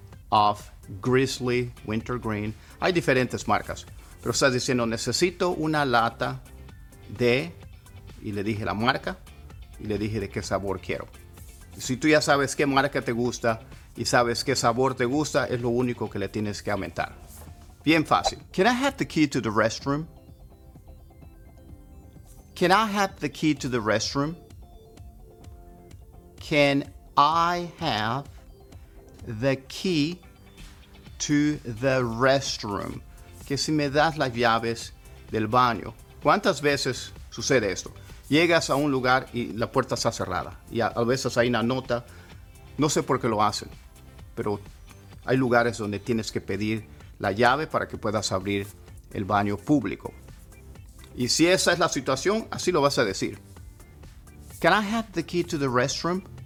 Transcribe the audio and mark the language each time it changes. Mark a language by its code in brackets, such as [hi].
[es] Of Grizzly Wintergreen. Hay diferentes marcas. Pero estás diciendo, necesito una lata de... Y le dije la marca. Y le dije de qué sabor quiero. Si tú ya sabes qué marca te gusta y sabes qué sabor te gusta, es lo único que le tienes que aumentar. Bien fácil. [en] Can I have the key to the restroom? Can I have the key to the restroom? Can I have the key to the restroom? [es] Que si me das las llaves del baño. ¿Cuántas veces sucede esto? Llegas a un lugar y la puerta está cerrada. Y a veces hay una nota. No sé por qué lo hacen. Pero hay lugares donde tienes que pedir la llave para que puedas abrir el baño público. Y si esa es la situación, así lo vas a decir. [en] Can I have the key to the restroom?